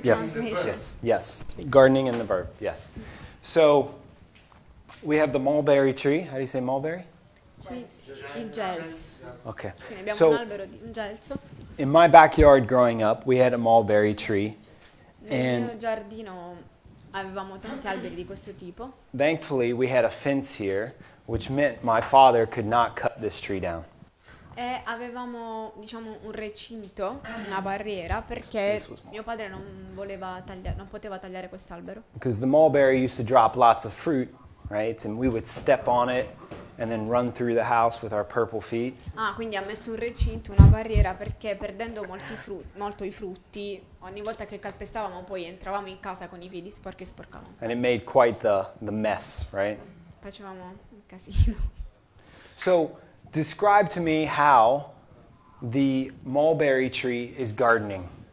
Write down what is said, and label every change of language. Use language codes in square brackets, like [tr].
[en] translate. Yes. Yes. Gardening in the verb. Yes. So we have the mulberry tree. How do you say mulberry? [it] Il gelso. Okay. [en] So in my backyard growing up, we had a mulberry tree. [it] Nel mio giardino avevamo tanti alberi di questo tipo. [en] Thankfully, we had a fence here, which meant my father could not cut this tree down. [it] E avevamo, diciamo, un recinto, una barriera, perché mio padre non voleva tagliare, non poteva tagliare quest'albero. [en] Because the mulberry used to drop lots of fruit, right? And we would step on it and then run through the house with our purple feet. [it] Ah, quindi ha messo un recinto, una barriera, perché perdendo molto i frutti, ogni volta che calpestavamo poi entravamo in casa con i piedi sporchi e sporcavamo. [en] And it made quite the mess, right? [it] Facevamo un casino. [en] So describe to me how the mulberry tree is gardening.